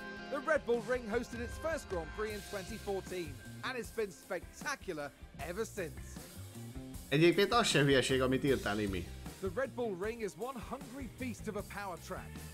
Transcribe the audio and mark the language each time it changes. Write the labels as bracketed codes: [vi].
[en] The Red Bull Ring hosted its first Grand Prix in 2014, and it's been spectacular ever since. [hu] Egyébként az sem hülyeség, amit írtál, Imi. [en] The Red Bull Ring is one hungry beast of a power track.